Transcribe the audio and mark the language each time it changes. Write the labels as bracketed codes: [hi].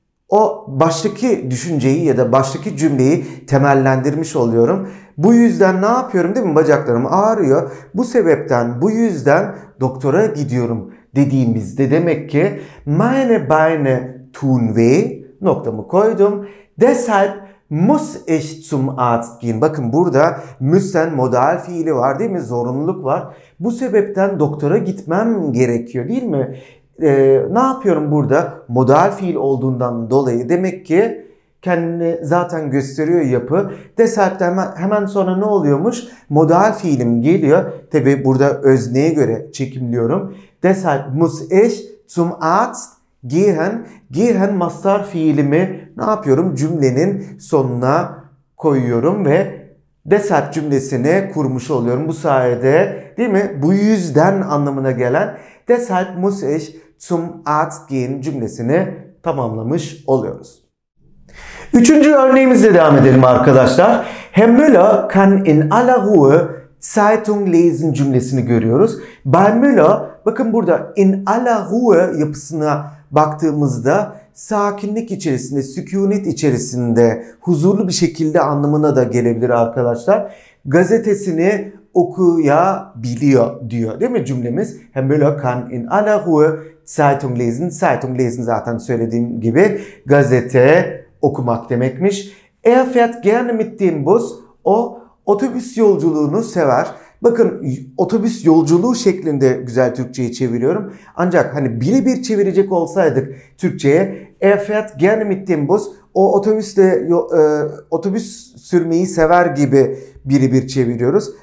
[tr] O baştaki düşünceyi ya da baştaki cümleyi temellendirmiş oluyorum. Bu yüzden ne yapıyorum değil mi? Bacaklarım ağrıyor. Bu sebepten, bu yüzden doktora gidiyorum dediğimizde demek ki [de] meine Beine tun weh [tr] noktamı koydum. [de] Deshalb muss ich zum Arzt gehen. [tr] Bakın burada müssen modal fiili var değil mi? Zorunluluk var. Bu sebepten doktora gitmem gerekiyor değil mi? Ne yapıyorum burada? Modal fiil olduğundan dolayı demek ki kendini zaten gösteriyor yapı. Deshalb'den hemen sonra ne oluyormuş? Modal fiilim geliyor. Tabi burada özneye göre çekimliyorum. [de] Deshalb muss ich zum Arzt gehen. [tr] Gehen mastar fiilimi ne yapıyorum? Cümlenin sonuna koyuyorum ve deshalb cümlesini kurmuş oluyorum. Bu sayede değil mi? Bu yüzden anlamına gelen [de] deshalb muss ich zum Arzt gehen [tr] cümlesini tamamlamış oluyoruz. Üçüncü örneğimizle devam edelim arkadaşlar. [de] Herr Müller kann in aller Ruhe Zeitung lesen [tr] cümlesini görüyoruz. Bei Müller, bakın burada [de] in aller Ruhe [tr] yapısına baktığımızda sakinlik içerisinde, sükunet içerisinde, huzurlu bir şekilde anlamına da gelebilir arkadaşlar. Gazetesini okuyabiliyor diyor değil mi cümlemiz? [de] Herr Müller kann in aller Ruhe Zeitung lesen. Zeitung lesen [tr] zaten söylediğim gibi gazete okumak demekmiş. [de] Er fährt gerne mit dem Bus. [tr] O otobüs yolculuğunu sever. Bakın otobüs yolculuğu şeklinde güzel Türkçe'yi çeviriyorum. Ancak hani birebir çevirecek olsaydık Türkçe'ye [de] er fährt gerne mit dem Bus. [tr] O otobüsle otobüs sürmeyi sever gibi birebir çeviriyoruz.